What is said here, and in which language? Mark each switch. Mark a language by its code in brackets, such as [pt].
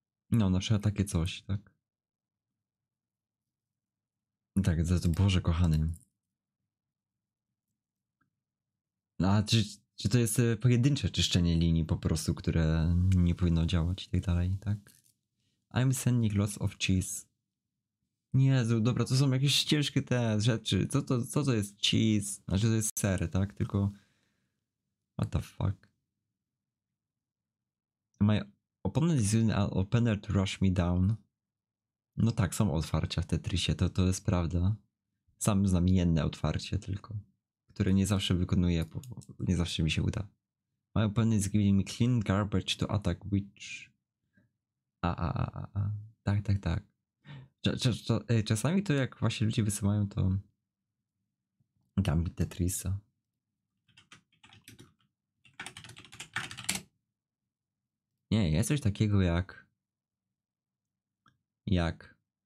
[pl] No, na przykład takie coś, tak? Tak, za to Boże kochany. No, a czy to jest pojedyncze czyszczenie linii po prostu, które nie powinno działać i tak dalej, tak? [en] I'm sending lots of cheese. [pl] Jezu, dobra, to są jakieś ciężkie te rzeczy. Co to jest cheese? Znaczy to jest ser, tak? Tylko... [en] What the fuck? My opponent is using an opener to rush me down. [pl] No tak, są otwarcia w Tetrisie, to jest prawda. Sam znam jedne otwarcie tylko. Które nie zawsze wykonuję, bo nie zawsze mi się uda. [en] My opponent is giving me clean garbage to attack which... [pl] Tak. Czasami to jak właśnie ludzie wysyłają to Gambit Tetris'a. Nie, jest coś takiego jak. Jak?